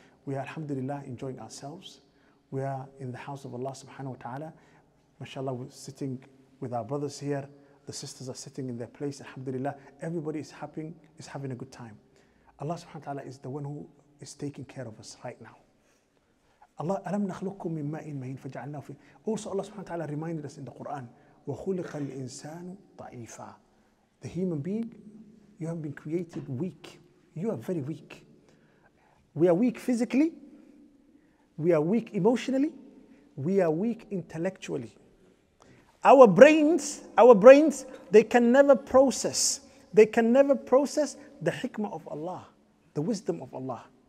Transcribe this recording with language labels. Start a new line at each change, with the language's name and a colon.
English: We are alhamdulillah enjoying ourselves. We are in the house of Allah subhanahu wa ta'ala. MashaAllah, we're sitting with our brothers here. The sisters are sitting in their place, alhamdulillah. Everybody is having a good time. Allah subhanahu wa ta'ala is the one who is taking care of us right now. Allah,
Arabic: أَلَمْ نَخْلُقُكُمْ مِنْ مَاءٍ مَهِينٍ فَجَعَلْنَاهُ فِي.
English: Also Allah subhanahu wa ta'ala reminded us in the Quran,
Arabic: وَخُلِقَ الْإِنسَانُ ضَعِيفًا.
English: The human being, you have been created weak. You are very weak. We are weak physically. We are weak emotionally. We are weak intellectually. Our brains, they can never process the hikmah of Allah, the wisdom of Allah.